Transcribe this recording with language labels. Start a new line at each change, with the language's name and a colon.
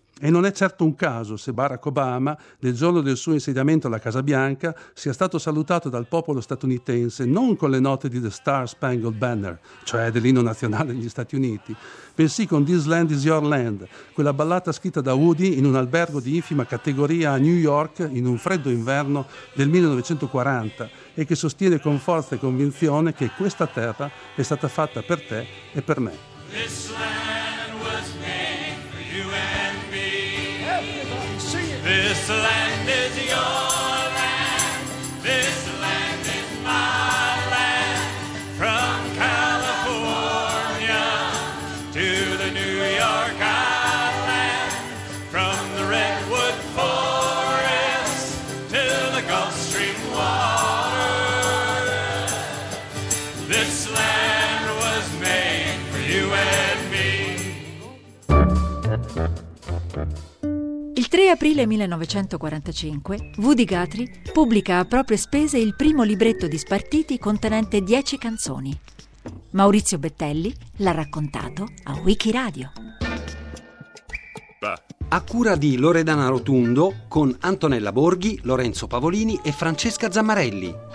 Italian: E non è certo un caso se Barack Obama, nel giorno del suo insediamento alla Casa Bianca, sia stato salutato dal popolo statunitense non con le note di The Star Spangled Banner, cioè dell'inno nazionale degli Stati Uniti, bensì con This Land Is Your Land, quella ballata scritta da Woody in un albergo di infima categoria a New York in un freddo inverno del 1940 e che sostiene con forza e convinzione che questa terra è stata fatta per te e per me.
English: This land was made for you and this land is your land, this land is my land, from California to the New York Island, from the Redwood Forest to the Gulf Stream water, this land was made for you and me.
Italian: Il 3 aprile 1945, Woody Guthrie pubblica a proprie spese il primo libretto di spartiti contenente 10 canzoni. Maurizio Bettelli l'ha raccontato a Wikiradio. A cura di Loredana Rotundo con Antonella Borghi, Lorenzo Pavolini e Francesca Zammarelli.